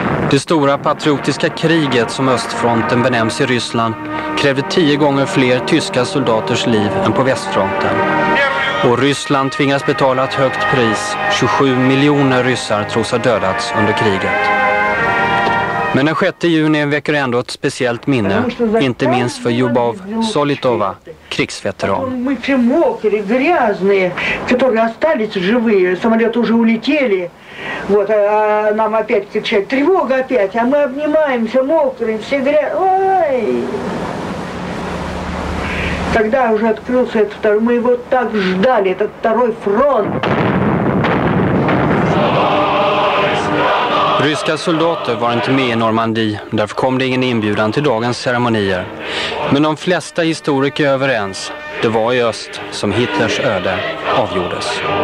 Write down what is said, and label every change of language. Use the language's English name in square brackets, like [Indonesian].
[Swedish] Det stora patriotiska kriget som östfronten benämns i Ryssland krävde 10 gånger fler tyska soldaters liv än på västfronten. Och Ryssland tvingas betala ett högt pris. 27 miljoner ryssar tros ha dödats under kriget. Men den 6 juni väcker ändå ett speciellt minne, inte minst för Ljubov Solitova, krigsveteran. [Russian] Мы примокли, грязные, которые остались живые, самолёты уже улетели. Вот, а нам опять кричать, тревога опять, а мы обнимаемся, мокрые, все грязные. Ой! Когда уже открылся этот второй, мы его так ждали, этот второй фронт. [Swedish] Ryska soldater var inte med i Normandie, därför kom det ingen inbjudan till dagens ceremonier. Men de flesta historiker är överens, det var i öst som Hitlers öde avgjordes.